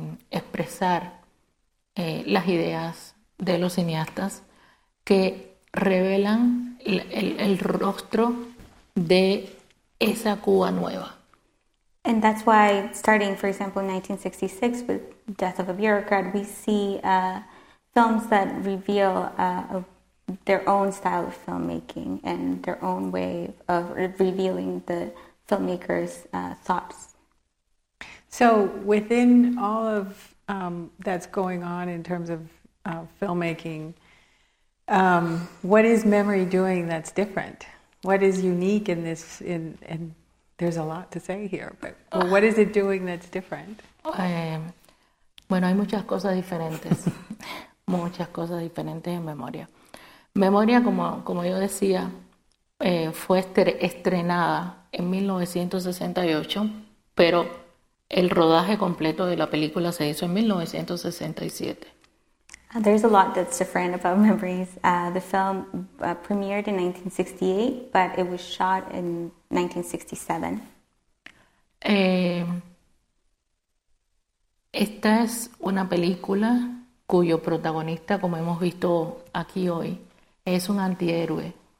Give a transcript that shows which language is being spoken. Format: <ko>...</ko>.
<es>expresar las ideas de los cineastas que revelan el rostro de esa Cuba nueva.</es> <en>And that's why, starting, for example, in 1966 with Death of a Bureaucrat, we see films that reveal their own style of filmmaking and their own way of revealing the filmmakers' thoughts. So within all of that's going on in terms of filmmaking, what is memory doing that's different? What is unique in this? And there's a lot to say here, but well, what is it doing that's different?</en> <es>Bueno, hay muchas cosas diferentes. Muchas cosas diferentes en memoria. Memoria, como yo decía, fue estrenada en 1968, pero el rodaje completo de la película se hizo en 1967.</es> <en>There's a lot that's different about Memories. The film premiered in 1968, but it was shot in 1967.</en> <es>Esta es una película cuyo protagonista, como hemos visto aquí hoy, es un antihéroe.</es>